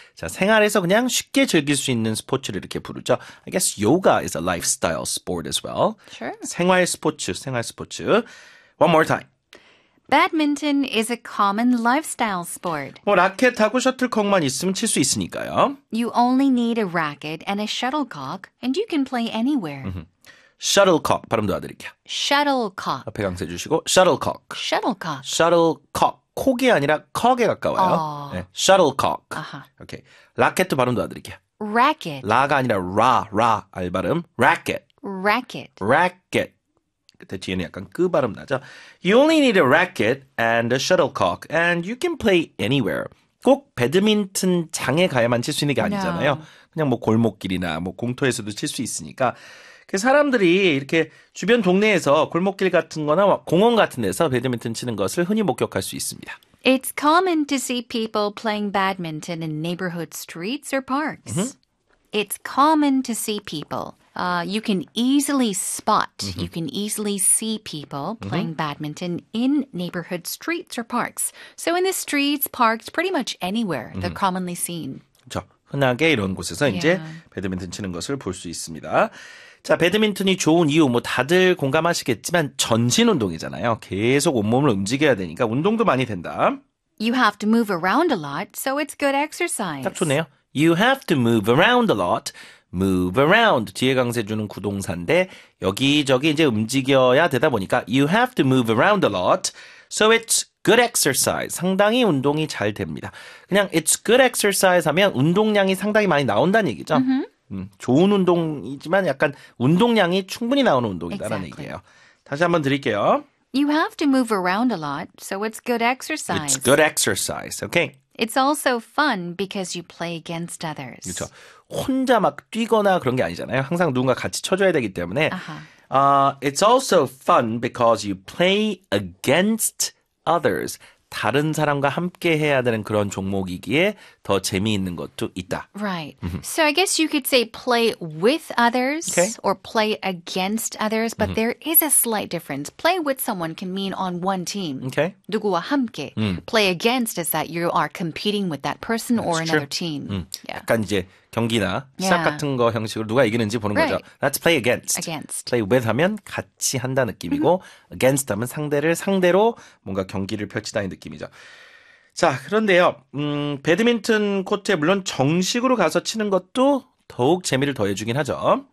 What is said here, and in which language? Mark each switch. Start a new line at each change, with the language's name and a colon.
Korean: 자, 생활에서 그냥 쉽게 즐길 수 있는 스포츠를 이렇게 부르죠.
English: I guess yoga is a lifestyle sport as well. Sure.
Korean: 생활 스포츠, 생활 스포츠.
English: One more time. Badminton is a common lifestyle sport.
Korean: 뭐 라켓하고 셔틀콕만 있으면 칠 수 있으니까요.
English: You only need a racket and a shuttlecock and you can play anywhere.
Korean: Shuttlecock 발음 도와드릴게요.
English: Shuttlecock.
Korean: 앞에 강세 주시고 shuttlecock.
English: Shuttlecock. Shuttlecock.
Korean: 콕이 아니라 컥에 가까워요. 네.
English: Shuttlecock. 오케이.
Korean: 라켓도 발음 도와드릴게요.
English: Racket.
Korean: 라가 아니라 라, 라 알 발음.
English: Racket. Racket. Racket.
Korean: 그때 뒤에는 약간 끄 발음 나죠.
English: You only need a racket and a shuttlecock and you can play anywhere.
Korean: 꼭 배드민턴 장에 가야만 칠 수 있는 게 아니잖아요.
English: No.
Korean: 그냥 뭐 골목길이나 뭐 공터에서도 칠 수 있으니까 그 사람들이 이렇게 주변 동네에서 골목길 같은 거나 공원 같은 데서 배드민턴 치는 것을 흔히 목격할 수 있습니다.
English: It's common to see people playing badminton in neighborhood streets or parks. It's common to see people. You can easily spot, you can easily see people playing badminton in neighborhood streets or parks. So in the streets, parks, pretty much anywhere, they're commonly seen.
Korean: 그렇죠. 흔하게 이런 곳에서 이제 배드민턴 치는 것을 볼 수 있습니다. 자, 배드민턴이 좋은 이유, 뭐 다들 공감하시겠지만 전신 운동이잖아요. 계속 온몸을 움직여야 되니까 운동도 많이 된다.
English: You have to move around a lot, so it's good exercise.
Korean: 딱 좋네요.
English: You have to move around a lot. Move around.
Korean: 뒤에 강세 주는 구동사인데 여기저기 이제 움직여야 되다 보니까
English: You have to move around a lot. So it's good exercise.
Korean: 상당히 운동이 잘 됩니다. 그냥
English: it's good exercise
Korean: 하면 운동량이 상당히 많이 나온다는 얘기죠. 좋은 운동이지만 약간 운동량이 충분히 나오는 운동이다라는
English: exactly.
Korean: 얘기예요. 다시 한번 드릴게요.
English: You have to move around a lot. So it's good exercise. It's good exercise. Okay. It's also fun because you play against others.
Korean: 그렇죠. 혼자 막 뛰거나 그런 게 아니잖아요. 항상 누군가 같이 쳐줘야 되기 때문에.
English: It's also fun because you play against others.
Korean: 다른 사람과 함께 해야 되는 그런 종목이기에 더 재미있는 것도 있다.
English: Right. So I guess you could say play with others okay. or play against others, but there is a slight difference. Play with someone can mean on one team. Okay.
Korean: 누구와 함께.
English: Play against is that you are competing with that person That's or another true. team. Yeah.
Korean: 약간 이제 경기나 시합 같은 거 형식으로 누가 이기는지 보는
English: right.
Korean: 거죠.
English: That's play against. against.
Korean: Play with 하면 같이 한다 느낌이고 against 하면 상대를 상대로 뭔가 경기를 펼치다는 느낌이죠. 자, 그런데요. 배드민턴 코트에 물론 정식으로 가서 치는 것도 더욱 재미를 더해주긴 하죠.